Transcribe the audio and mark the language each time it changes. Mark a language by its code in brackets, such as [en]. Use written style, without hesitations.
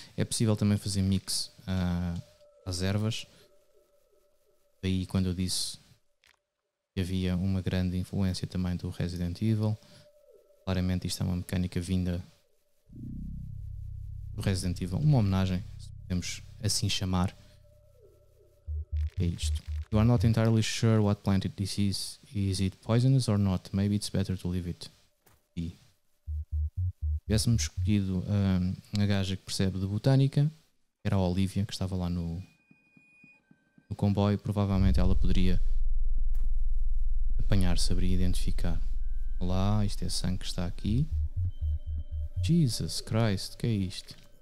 [pt] É possível também fazer mix às ervas. Daí quando eu disse que havia uma grande influência também do Resident Evil. Claramente isto é uma mecânica vinda do Resident Evil. Uma homenagem, se podemos assim chamar. [en] You are not entirely sure what plant this is. Is it poisonous or not? Maybe it's better to leave it. [pt] Se tivéssemos escolhido a gaja que percebe de botânica, que era a Olivia, que estava lá no comboio, provavelmente ela poderia apanhar, saber identificar. Olá, isto é sangue que está aqui. Jesus Christ, o que é isto?